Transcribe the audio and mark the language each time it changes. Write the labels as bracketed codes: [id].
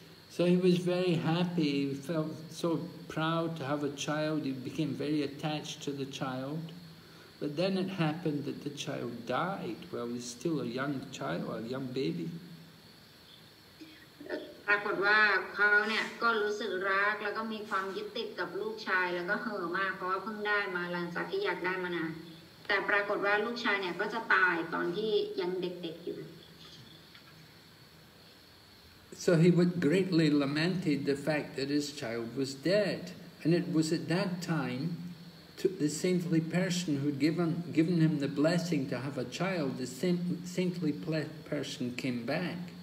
[en] So he was very happy, he felt so proud to have a child, he became very attached to the child. But then it happened that the child died while he was still a young child, a young baby. [th] ปรากฏว่าเขาเนี่ยก็รู้สึกรักแล้วก็มีความยึดติดกับลูกชายแล้วก็เห่อมากเพราะว่าเพิ่งได้มาหลังจากที่อยากได้มานานแต่ปรากฏว่าลูกชายเนี่ยก็จะตายตอนที่ยังเด็กๆอยู่ [en] So he would greatly lamented the fact that his child was dead and it was at that time the saintly person who'd given him the blessing to have a child, the saintly person came back.